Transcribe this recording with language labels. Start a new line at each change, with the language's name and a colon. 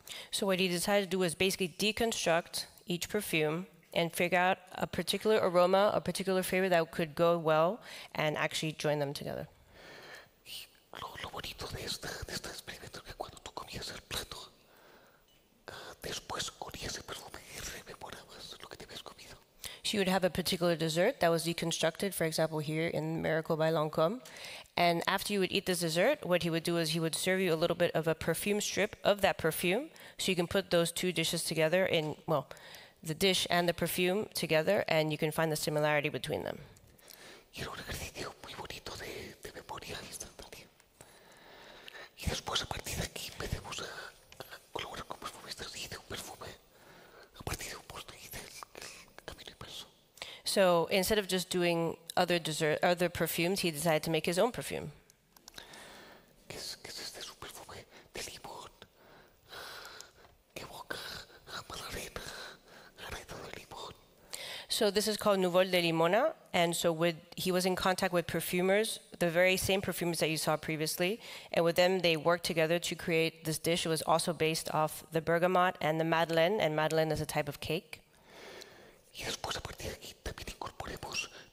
English: So what he decided to do was basically deconstruct each perfume and figure out a particular aroma, a particular flavor that could go well and actually join them together.
Spanish: Lo bonito de este experimento es que cuando tú comías el plato, después olías el perfume y rememorabas lo que te habías comido.
English: So you would have a particular dessert that was deconstructed, for example, here in Miracle by Lancôme. And after you would eat this dessert, what he would do is he would serve you a little bit of a perfume strip of that perfume, so you can put those two dishes together in, well, the dish and the perfume together, and you can find the similarity between them.
Spanish: Y era un ejercicio muy bonito de memoria instantánea. Y después, a partir de aquí, empecemos a colaborar con perfumistas y de un perfume, a partir de un postre y del camino impreso.
English: So instead of just doing other dessert, other perfumes, he decided to make his own perfume.
Spanish: ¿Qué es este? Es un perfume de limón que evoca a Madalena, arena de limón.
English: So this is called Nuvol de Limona, and so he was in contact with perfumers, the very same perfumers that you saw previously, and with them they worked together to create this dish. It was also based off the bergamot and Madeleine is a type of cake.
Spanish: Y después, a partir de aquí, también incorporemos.